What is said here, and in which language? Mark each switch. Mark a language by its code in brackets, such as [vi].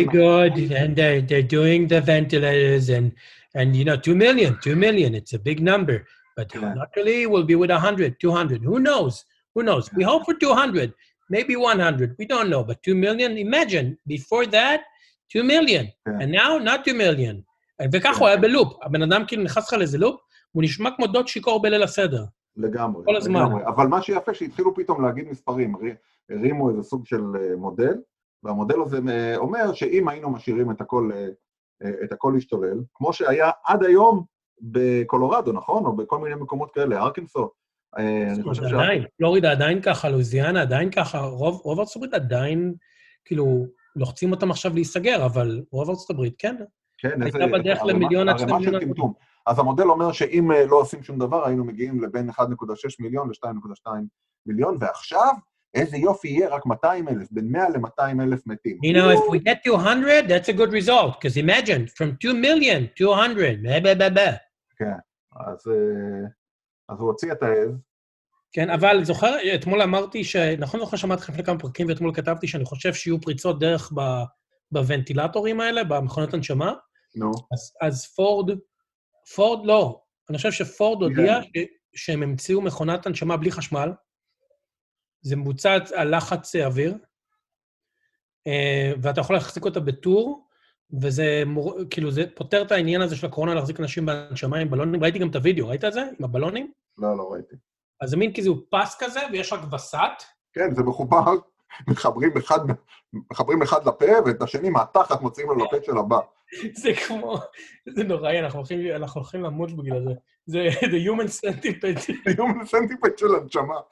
[en] Very good, and they're doing the ventilators, and you know, 2 million, it's a big number, but luckily we'll be with 100, 200, who knows, we hope for 200, maybe 100, we don't know, but 2 million, imagine, before that, 2 million, and now, not 2 million. [he] וכך הוא היה בלופ, הבן אדם כאילו נכנס לך לזה לופ, הוא נשמע כמו דוד שיקור בליל הסדר. לגמרי. כל הזמן. אבל מה שיפה, שהתחילו פתאום להגיד מספרים, הרימו איזה סוג של מודל, והמודל הזה אומר שאם היינו משאירים את הכל להשתולל, כמו שהיה עד היום בקולורדו, נכון? או בכל מיני מקומות כאלה, ארקנסו, עדיין, פלורידה עדיין ככה, לואיזיאנה עדיין ככה, רוב ארצות הברית עדיין, כאילו, לוחצים אותם עכשיו להיסגר, אבל רוב ארצות הברית, כן. כן, הייתה בדרך למיליון עד 2 מיליון. אז המודל אומר שאם לא עושים שום דבר, היינו מגיעים לבין 1.6 מיליון ל-2.2 מיליון, ועכשיו, איזה יופי יהיה, רק 200 אלף, בין 100 ל-200 אלף מתים. [en] You know, if we get 200, that's a good result, because imagine, from 2 million, 200, [he] כן, אז הוא הוציא את העז. כן, אבל זוכר, אתמול אמרתי שנכון זוכר שמעת לפני כמה פרקים, ואתמול כתבתי שאני חושב שיהיו פריצות דרך בוונטילטורים האלה, במכונות הנשמה. נו. אז פורד לא. אני חושב שפורד הודיע שהם המציאו מכונת הנשמה בלי חשמל. זה מבוצע על לחץ אוויר, ואתה יכול להחזיק אותה בטור, וזה כאילו זה פותר את העניין הזה של הקורונה להחזיק אנשים בהנשמה עם בלונים. ראיתי גם את הוידאו, ראית את זה? עם הבלונים? לא ראיתי. אז זה מין כזה הוא פס כזה, ויש רק וסט. כן, זה מחובר. מחברים אחד לפה, ואת השני מהתחת מוצאים לו לפה של הבא. זה כמו, זה נוראי, אנחנו הולכים למות בגלל זה. זה the human centipede. the human centipede של הנשמה.